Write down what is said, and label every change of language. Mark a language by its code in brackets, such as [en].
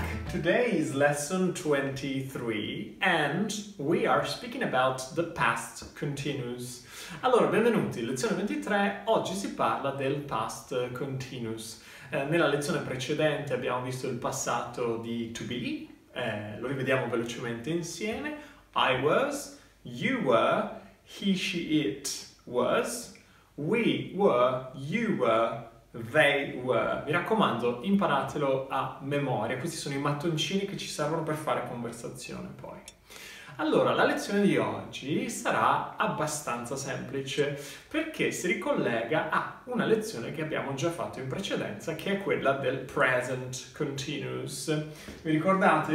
[en] Today is lesson 23 and we are speaking about the past continuous. [it] Allora, benvenuti. Lezione 23. Oggi si parla del past continuous. Nella lezione precedente abbiamo visto il passato di to be. Lo rivediamo velocemente insieme. [en] I was, you were, he, she, it was, we were, you were, they were. [it] Mi raccomando, imparatelo a memoria. Questi sono i mattoncini che ci servono per fare conversazione poi. Allora, la lezione di oggi sarà abbastanza semplice perché si ricollega a una lezione che abbiamo già fatto in precedenza, che è quella del present continuous. Vi ricordate?